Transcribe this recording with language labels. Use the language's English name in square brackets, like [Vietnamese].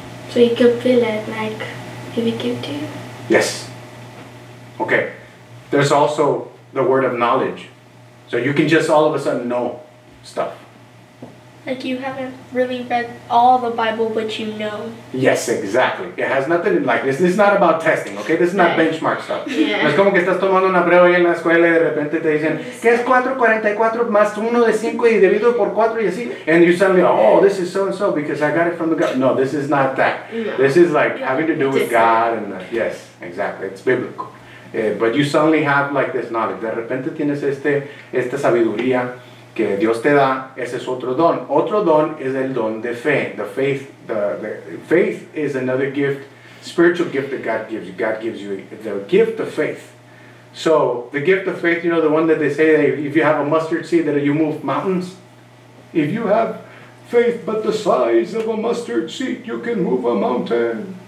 [English] So you can feel it, like, if it came to you? Yes. Okay. There's also the word of knowledge. So you can just all of a sudden know stuff. Like you haven't really read all the Bible, but you know. Yes, exactly. It has nothing like this. This is not about testing, okay? This is not benchmark stuff. Yeah. [Spanish] No es como que estás tomando una prueba ahí en la escuela y de repente te dicen, ¿qué es 444 más 1 de 5 y dividido por 4 y así? [English] And you suddenly, oh, this is so-and-so because I got it from the God. No, this is not that. No. This is like having to do with God. And yes, exactly. It's biblical. But you suddenly have like this knowledge. [Spanish] De repente tienes esta sabiduría que Dios te da, ese es otro don. Otro don es el don de fe. [English] The faith, faith is another gift, spiritual gift that God gives you. God gives you the gift of faith. So the gift of faith, you know, the one that they say that if you have a mustard seed that you move mountains. If you have faith but the size of a mustard seed, you can move a mountain.